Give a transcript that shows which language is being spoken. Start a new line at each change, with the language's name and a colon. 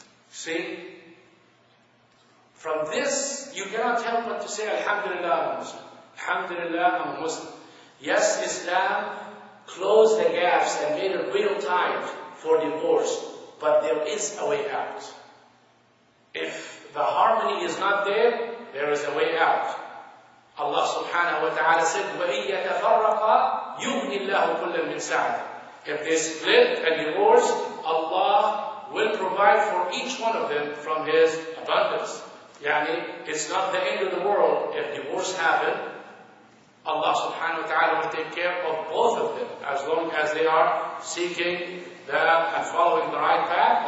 English: See? From this, you cannot help but to say, Alhamdulillah, I'm Muslim. Alhamdulillah, I'm Muslim. Yes, Islam closed the gaps and made it real tight for divorce, but there is a way out. If the harmony is not there, there is a way out. Allah subhanahu wa ta'ala said,
Arabic: وَإِن يَتَفَرَّقَ يُغْنِ اللَّهُ كُلًّا مِنْ سَعْدِ.
English: If they split and divorce, Allah will provide for each one of them from His abundance. Yani, it's not the end of the world if divorce happens. Allah subhanahu wa ta'ala will take care of both of them as long as they are seeking and following the right path.